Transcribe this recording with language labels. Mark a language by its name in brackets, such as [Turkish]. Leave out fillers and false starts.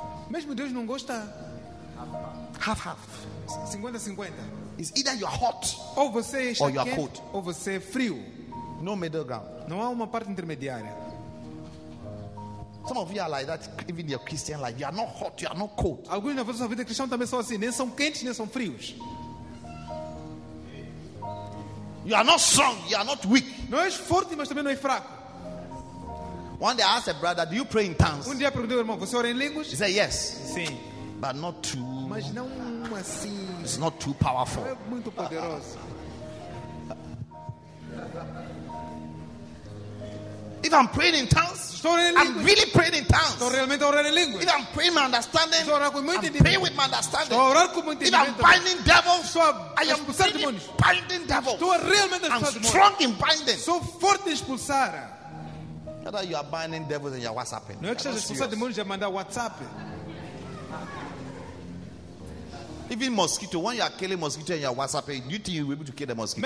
[Portuguese] Mesmo Deus não gosta. [English] Half. 50-50. It's either you are hot [Portuguese] ou você [English] or [Portuguese] quente, [English] you are cold. [Portuguese] Ou você é frio. [English] No middle ground. [Portuguese] Não há uma parte intermediária. [English] Some of you are like that, even your Christian life. You are not hot, you are not cold. [Portuguese] Alguns na vossa vida cristã também são assim, nem são quentes, nem são frios. [English] You are not strong, you are not weak. [Portuguese] Não és forte, mas também não és fraco. [English] One day I asked a brother, do you pray in tongues? [Portuguese] Um dia perguntei ao irmão, você ora em línguas? [English] He said yes. [Portuguese] Sim. [English] But not too. [Portuguese] Mas não assim. [English] It's not too powerful. [Portuguese] É muito poderoso. [English] If I'm praying in tongues, I'm really praying in tongues. [Portuguese] Estou realmente orando em línguas. [English] If I'm praying my understanding, [Portuguese] estou orando com muito entendimento. [English] I'm praying with my understanding. [Portuguese] Estou orando com muito entendimento. [English] If I'm binding devils, [Portuguese] estou a expulsar demônios. [English] Binding devils. [Portuguese] Estou realmente a expulsar demônios. [English] I'm strong in binding. [Portuguese] Sou forte em expulsar. [English] Not that you are binding devils and you are WhatsApping. [Portuguese] Não é que estás a expulsar demônios e mandar WhatsApp. [English] Even mosquito, when you are killing mosquito and you are WhatsApping, do you think you will be able to kill the mosquito?